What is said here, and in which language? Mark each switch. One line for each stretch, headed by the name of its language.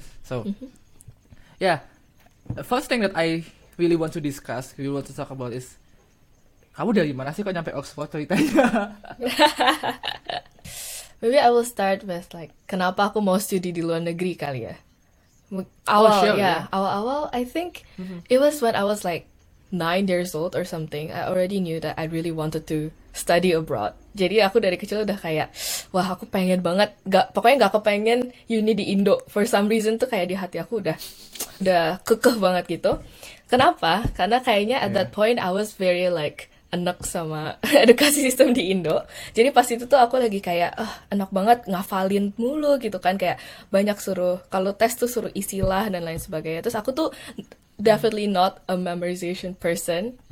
English: So the first thing that I really want to discuss, really want to talk about is
Indonesian: kamu dari mana sih kok nyampe Oxford ceritanya?
English: Maybe I will start with like
Indonesian: kenapa aku mau studi di luar negeri kali ya. Awal-awal
English: I think it was when I was like 9 years old or something. I already knew that I really wanted to study abroad.
Indonesian: Jadi aku dari kecil udah kayak, wah aku pengen banget, gak kepengen uni di Indo.
English: For some reason
Indonesian: tuh kayak di hati aku udah kekeh banget gitu. Kenapa? Karena kayaknya
English: at that point I was very like
Indonesian: enek sama edukasi sistem di Indo. Jadi pas itu tuh aku lagi kayak, oh, enak banget ngafalin mulu gitu kan. Kayak banyak suruh, kalau tes tuh suruh isilah dan lain sebagainya. Terus aku tuh
English: definitely not a memorization person.